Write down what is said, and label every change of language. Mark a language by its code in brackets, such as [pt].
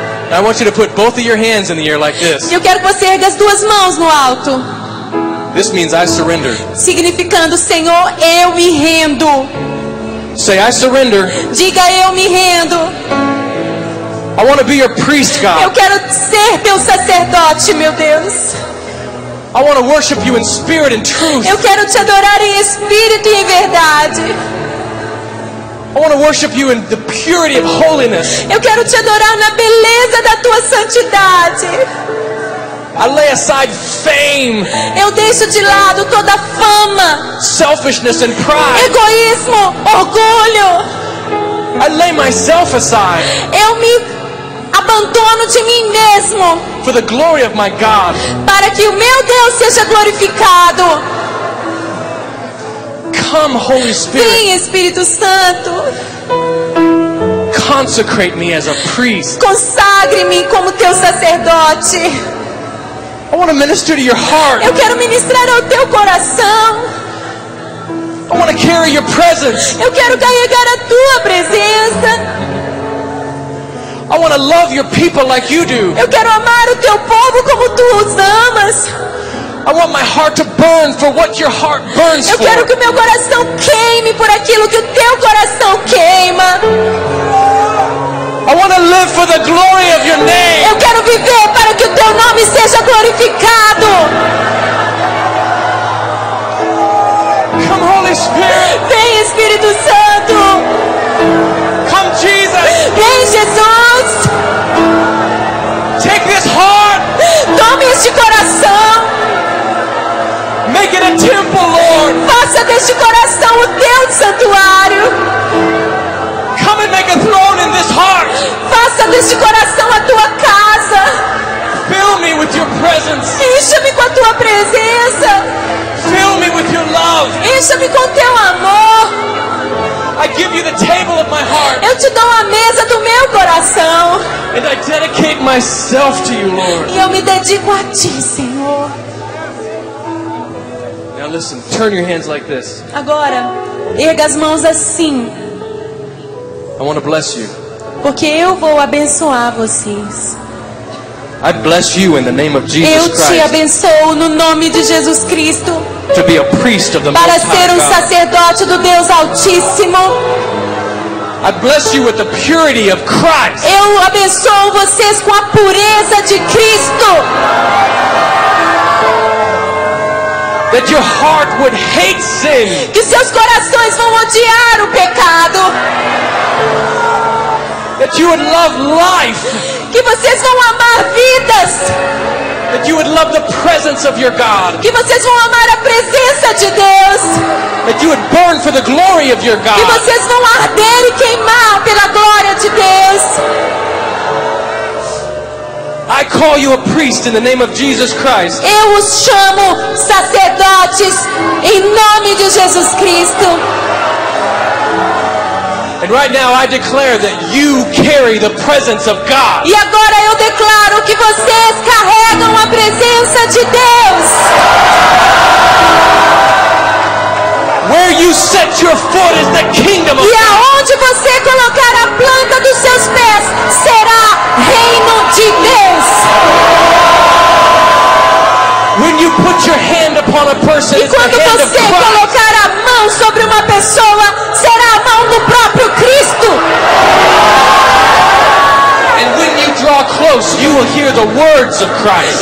[en] I want you to put both of your hands in the air like this. [pt] Eu quero que você erga as duas mãos no alto. [en] This means I surrender. [pt] Significando, Senhor, eu me rendo. [en] Say I surrender. [pt] Diga eu me rendo. [en] I want to be your priest, God. [pt] Eu quero ser teu sacerdote, meu Deus. [en] I want to worship you in spirit and truth. [pt] Eu quero te adorar em espírito e em verdade. [en] I want to worship you in the purity of holiness. [pt] Eu quero te adorar na beleza da tua santidade. [en] I lay aside fame. [pt] Eu deixo de lado toda fama. [en] Selfishness and pride. [pt] Egoísmo, orgulho. [en] I lay myself aside. [pt] Eu me abandono de mim mesmo. [en] For the glory of my God. [pt] Para que o meu Deus seja glorificado. [en] Come, Holy Spirit. [pt] Vem, Espírito Santo. [en] Consecrate me as a priest. [pt] Consagre-me como teu sacerdote. [en] I want to minister to your heart. [pt] Eu quero ministrar ao teu coração. [en] I want to carry your presence. [pt] Eu quero carregar a tua presença. [en] I want to love your people like you do. [pt] Eu quero amar o teu povo como tu os amas. [en] I want my heart to burn for what your heart burns for. [pt] Eu quero que o meu coração queime por aquilo que o teu coração queima. [en] I want to live for the glory of your name. [pt] Eu quero viver para que o teu nome seja glorificado. [en] Come, Holy Spirit. [pt] Vem, Espírito Santo. [en] Come, Jesus. [pt] Vem, Jesus. [en] Take this heart. [pt] Tome este coração. [en] Make it a temple, Lord. [pt] Faça deste coração o teu santuário. [en] Come and make a throne in this heart. [pt] Faça deste coração a tua casa. [en] Fill me with your presence. [pt] Encha-me com a tua presença. [en] Fill me with your love. [pt] Encha-me com teu amor. [en] I give you the table of my heart. [pt] Eu te dou a mesa do meu coração. [en] And I dedicate myself to you, Lord. [pt] E eu me dedico a ti, Senhor. [en] Now listen, turn your hands like this. [pt] Agora, erga as mãos assim. [en] I want to bless you. [pt] Porque eu vou abençoar vocês. [en] I bless you in the name of Jesus Christ. [pt] te abençoo no nome de Jesus Cristo. [en] To be a priest of the Most High God. [pt] Para ser sacerdote do Deus Altíssimo. [en] I bless you with the purity of Christ. [pt] Eu abençoo vocês com a pureza de Cristo. [en] That your heart would hate sin. [pt] Que seus corações vão odiar o pecado. [en] That you would love life. [pt] Que vocês vão amar vidas. [en] That you would love the presence of your God. [pt] Que vocês vão amar a presença de Deus. [en] That you would burn for the glory of your God. [pt] Que vocês vão arder e queimar pela glória de Deus. [en] I call you a priest in the name of Jesus Christ. [pt] Eu os chamo sacerdotes em nome de Jesus Cristo. [en] And right now I declare that you carry the presence of God. [pt] E agora eu declaro que vocês carregam a presença de Deus. [en] Where you set your foot is the kingdom of God. [pt] E aonde você colocar a planta dos seus pés será reino de Deus. [en] When you put your hand upon a person, [pt] e quando [en] it's the [pt] você [en] hand of [pt] colocar [en] Christ. [pt] A mão sobre uma pessoa será a mão do próprio Cristo. [en] And when you draw close, you will hear the words of Christ.